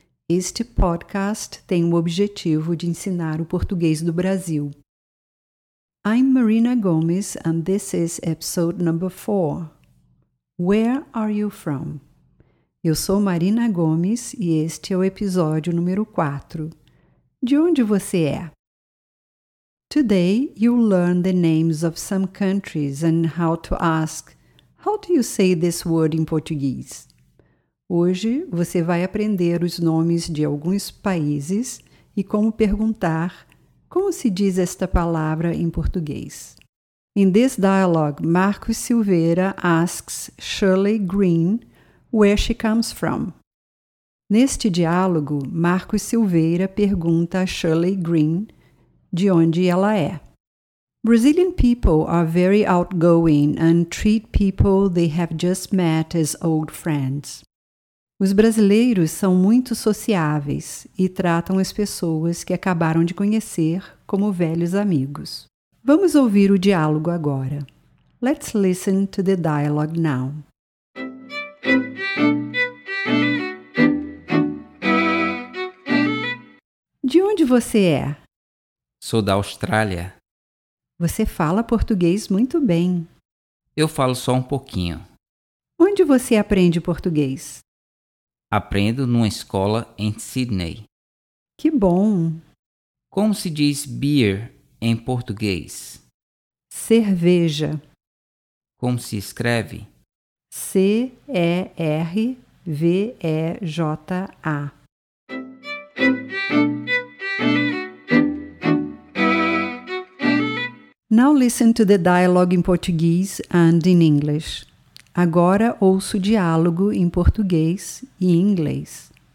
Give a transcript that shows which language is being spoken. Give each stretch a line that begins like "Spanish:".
Portuguese: Este podcast tem o objetivo de ensinar o português do Brasil.
English: I'm Marina Gomes and this is episode number 4. Where are you from?
Portuguese: Eu sou Marina Gomes e este é o episódio número 4. De onde você é?
English: Today, you'll learn the names of some countries and how to ask, how do you say this word in Portuguese?
Portuguese: Hoje, você vai aprender os nomes de alguns países e como perguntar como se diz esta palavra em português.
English: In this dialogue, Marcos Silveira asks Shirley Green where she comes from.
Portuguese: Neste diálogo, Marcos Silveira pergunta a Shirley Green de onde ela é.
English: Brazilian people are very outgoing and treat people they have just met as old friends.
Portuguese: Os brasileiros são muito sociáveis e tratam as pessoas que acabaram de conhecer como velhos amigos. Vamos ouvir o diálogo agora.
English: Let's listen to the dialogue now.
Portuguese: De onde você é? Sou da Austrália. Você fala português muito bem. Eu falo só um pouquinho. Onde você aprende português? Aprendo numa escola em Sydney. Que bom! Como se diz beer em português? Cerveja. Como se escreve? C-E-R-V-E-J-A.
English: Now listen to the dialogue in Portuguese and in English.
Portuguese: Agora ouça o diálogo em português e em inglês.